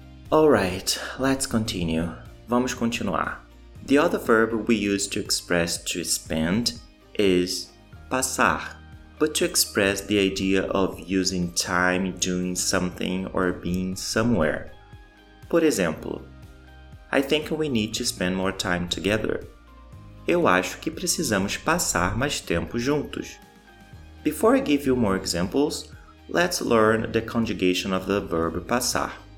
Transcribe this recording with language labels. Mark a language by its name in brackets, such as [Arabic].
[English] Alright, let's continue. [Portuguese] Vamos continuar. [English] The other verb we use to express to spend is passar. But to express the idea of using time doing something or being somewhere. [Portuguese] Por exemplo, [English] I think we need to spend more time together. [Portuguese] Eu acho que precisamos passar mais tempo juntos. [English] Before I give you more examples, let's learn the conjugation of the verb passar.